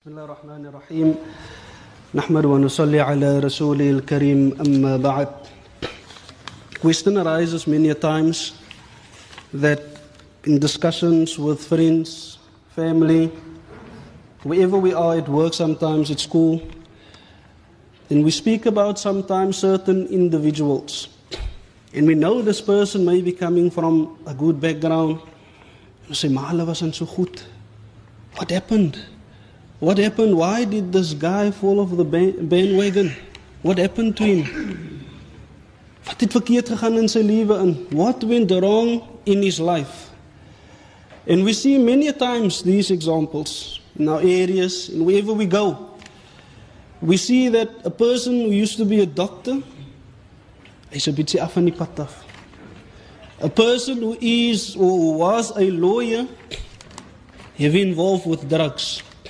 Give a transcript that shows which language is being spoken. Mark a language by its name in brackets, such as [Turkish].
[Arabic] بسم الله الرحمن الرحيم نحمد ونصلي على رسوله الكريم أما بعد. [English] Question arises many a times that in discussions with friends, family, wherever we are, at work sometimes, at school, then we speak about sometimes certain individuals. And we know this person may be coming from a good background. We say, Mala wasn't so good. What happened? What happened? Why did this guy fall off the bandwagon? What happened to him? [Afrikaans] Wat het verkeerd gegaan in sy lewe? [English] What went wrong in his life? And we see many a times these examples in our areas, and wherever we go. We see that a person who used to be a doctor, is a bit af [Afrikaans] in die pad af. [English] A person who is or who was a lawyer, heavy involved with drugs.